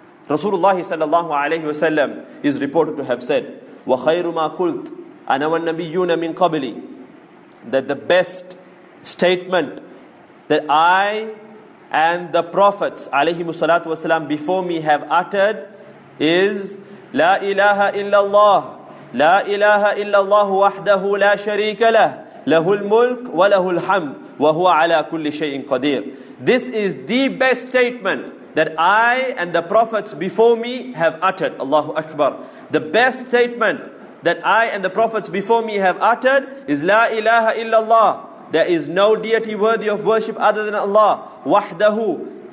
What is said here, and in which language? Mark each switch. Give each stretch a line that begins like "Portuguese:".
English: Rasulullah sallallahu alayhi wa sallam is reported to have said,
Arabic: "Wa khayru ma qult ana wa nabiyyuna min qabli,"
English: that the best statement that I and the prophets alayhi salatu wa sallam before me have uttered is La ilaha illallah.
Arabic: لا إله إلا الله وحده لا شريك له له الملك وله الحمد وهو على كل شيء قدير.
English: This is the best statement that I and the prophets before me have uttered. Allahu Akbar. The best statement that I and the prophets before me have uttered is
Arabic: لا إله إلا الله.
English: There is no deity worthy of worship other than Allah. وحده,